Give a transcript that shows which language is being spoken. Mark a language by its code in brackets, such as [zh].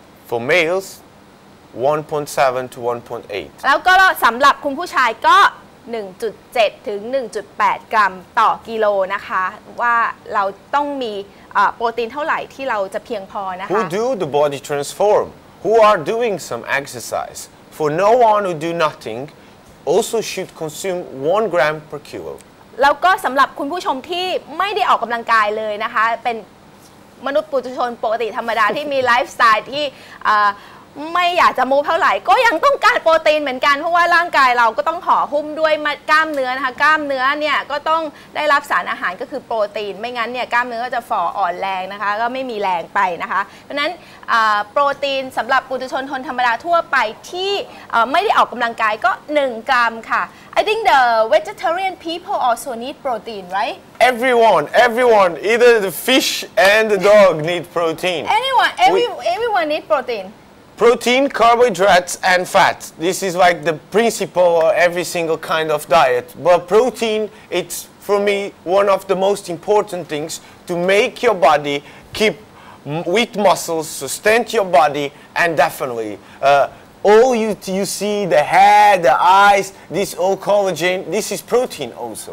[en] For males 1.7 to 1.8 [th] แล้วก็สำหรับคุณผู้ชายก็ 1.7 ถึง 1.8 กรัมต่อกิโลนะคะว่าเราต้องมีโปรตีนเท่าไหร่ที่เราจะเพียงพอนะคะ [en] Who do the body transform? Who are doing some exercise? For no one who do nothing also should consume 1 gram per kilo [th] แล้วก็สำหรับคุณผู้ชมที่ไม่ได้ออกกำลังกายเลยนะคะเป็นมนุษย์ปุถุชนปกติธรรมดาที่มีไลฟ์สไตล์ที่ไม่อยากจะมูฟเท่าไหร่ก็ยังต้องการโปรตีนเหมือนกันเพราะว่าร่างกายเราก็ต้องห่อหุ้มด้วย กล้ามเนื้อนะคะกล้ามเนื้อเนี่ยก็ต้องได้รับสารอาหารก็คือโปรตีนไม่งั้นเนี่ยกล้ามเนื้อก็จะฝ่ออ่อนแรงนะคะก็ไม่มีแรงไปนะคะเพราะนั้นโปรตีนสำหรับปุถุชนคนธรรมดาทั่วไปที่ไม่ได้ออกกำลังกายก็1กรัมค่ะ [en] I think the vegetarian people also need protein, right? Everyone, either the fish and the dog need protein. Everyone need protein. Protein, carbohydrates, and fat. This is like the principle of every single kind of diet. But protein, it's for me, one of the most important things to make your body keep with muscles, sustain your body, and definitely all you see, the hair, the eyes, this all collagen, this is protein also.